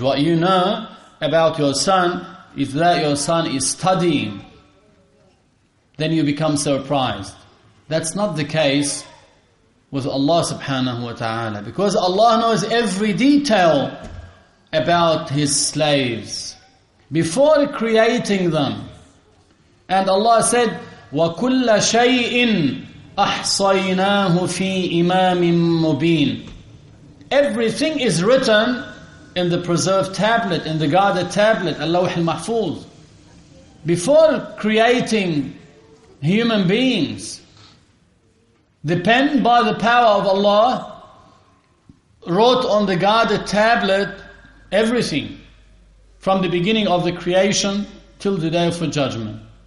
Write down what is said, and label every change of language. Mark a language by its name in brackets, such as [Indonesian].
[English] What you know about your son is that your son is studying. Then you become surprised. That's not the case with Allah subhanahu wa ta'ala. Because Allah knows every detail about his slaves before creating them. And Allah said, [Arabic] وَكُلَّ شَيْءٍ أَحْصَيْنَاهُ فِي إِمَامٍ مُبِينٍ. [English] Everything is written in the preserved tablet, in the guarded tablet, Allawh al-Mahfuz. Before creating human beings, the pen by the power of Allah wrote on the guarded tablet everything from the beginning of the creation till the day of judgment.